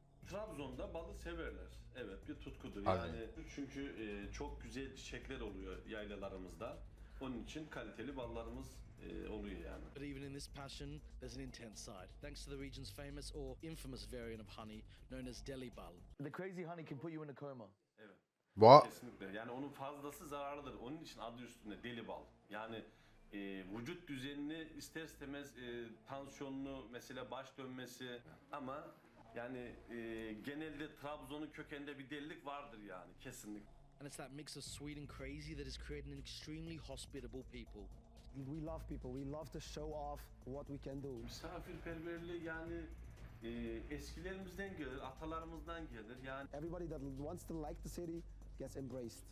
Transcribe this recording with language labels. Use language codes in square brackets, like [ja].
[tr] Trabzon'da balı severler. Evet, bir tutkudur. Aynen. Yani çünkü çok güzel çiçekler oluyor yaylalarımızda. Onun için kaliteli ballarımız oluyor yani. [en] But even in this passion, there's an intense side. Thanks to the region's famous or infamous variant of honey known as Delhi Bal. The crazy honey can put you in a coma. [tr] Evet. [en] What? [tr] Kesinlikle. Yani onun fazlası zararlıdır. Onun için adı üstünde Delhi Bal. Yani vücut düzenini ister istemez tansiyonunu mesela baş dönmesi ama yani genelde Trabzon'un kökeninde bir delilik vardır yani kesinlik. [en] And it's that mix of sweet and crazy that is creating an extremely hospitable people. We love people. We love to show off what we can do. [tr] Misafirperverliği yani eskilerimizden gelir, atalarımızdan gelir. Yani [en] everybody that wants to like the city gets embraced.